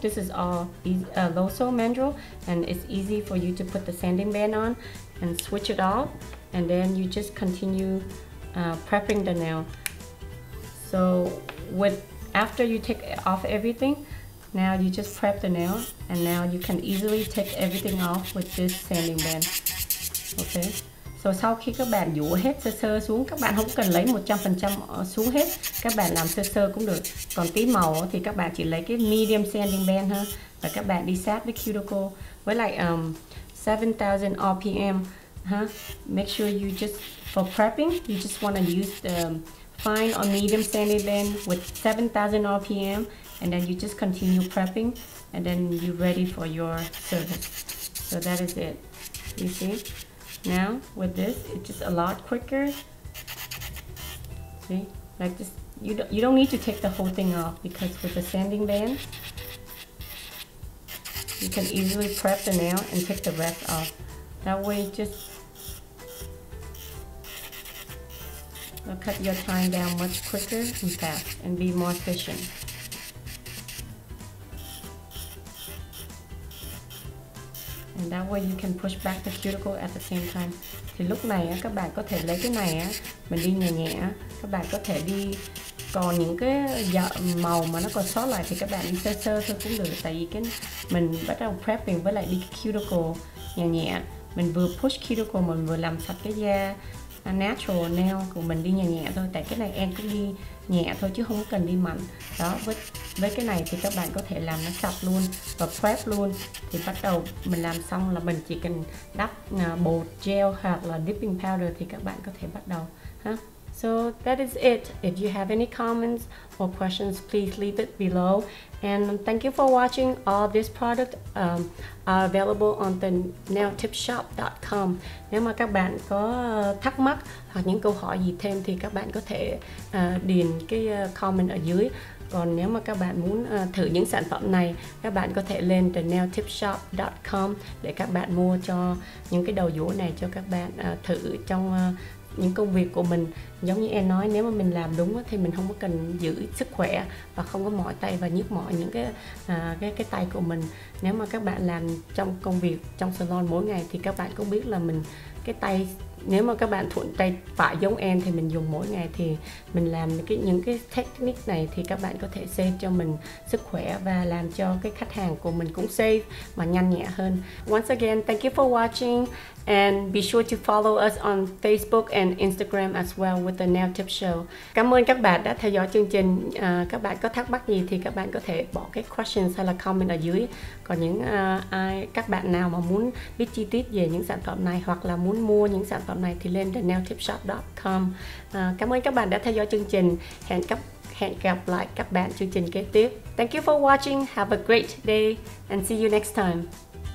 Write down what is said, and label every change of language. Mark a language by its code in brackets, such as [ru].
[en] This is all loso mandrel, and it's easy for you to put the sanding band on and switch it off, and then you just continue prepping the nail. So after you take off everything, now you just prep the nail, and now you can easily take everything off with this sanding band. Okay. [vi] So sau khi các bạn dũa hết sơ sơ xuống, các bạn không cần lấy 100% xuống hết, các bạn làm sơ sơ cũng được. Còn tí màu thì các bạn chỉ lấy cái medium sanding band ha, và các bạn đi sát với cuticle. Với lại 7000 RPM, huh? [en] Make sure you just, for prepping, you just want to use the fine or medium sanding band with 7000 RPM, and then you just continue prepping and then you're ready for your serving. So that is it. You see? Now with this, it's just a lot quicker. See? Like this, you don't need to take the whole thing off, because with the sanding band, you can easily prep the nail and take the rest off. That way, just it'll cut your time down much quicker and fast and be more efficient. And that way you can push back the cuticle at the same time. [vi] Thì lúc này các bạn có thể lấy cái này mình đi nhẹ nhẹ, các bạn có thể đi còn những cái màu mà nó còn sót lại thì các bạn đi sơ sơ thôi cũng được, tại vì cái mình bắt đầu prepping với lại đi cái cuticle nhẹ nhẹ, mình vừa push cuticle mình vừa làm sạch cái da natural nail của mình đi nhẹ nhẹ thôi. Tại cái này em cứ đi nhẹ thôi chứ không cần đi mạnh đó. Với cái này thì các bạn có thể làm nó sạch luôn và prep luôn, thì bắt đầu mình làm xong là mình chỉ cần đắp bột gel hoặc là dipping powder thì các bạn có thể bắt đầu ha. [en] So that is it. If you have any comments or questions, please leave it below. And thank you for watching. All these products are available on the nailtipshop.com. [vi] Nếu mà các bạn có thắc mắc hoặc những câu hỏi gì thêm thì các bạn có thể điền cái comment ở dưới. Còn nếu mà các bạn muốn thử những sản phẩm này, các bạn có thể lên thenailtipshop.com để các bạn mua cho những cái đầu dũa này cho các bạn thử trong những công việc của mình. Giống như em nói, nếu mà mình làm đúng thì mình không có cần giữ sức khỏe và không có mỏi tay và nhức mỏi những cái tay của mình. Nếu mà các bạn làm trong công việc trong salon mỗi ngày thì các bạn cũng biết là mình cái tay, nếu mà các bạn thuận tay phải giống em thì mình dùng mỗi ngày, thì mình làm những cái technique này thì các bạn có thể save cho mình sức khỏe và làm cho cái khách hàng của mình cũng save mà nhanh nhẹ hơn. [en] Once again, thank you for watching and be sure to follow us on Facebook and Instagram as well with the Nail Tip Show. [vi] Cảm ơn các bạn đã theo dõi chương trình. Các bạn có thắc mắc gì thì các bạn có thể bỏ cái questions hay là comment ở dưới. Còn những các bạn nào mà muốn biết chi tiết về những sản phẩm này hoặc là muốn mua những sản phẩm này thì lên thenailtipshop.com. Cảm ơn các bạn đã theo dõi chương trình. Hẹn gặp lại các bạn chương trình kế tiếp. [en] Thank you for watching. Have a great day and see you next time.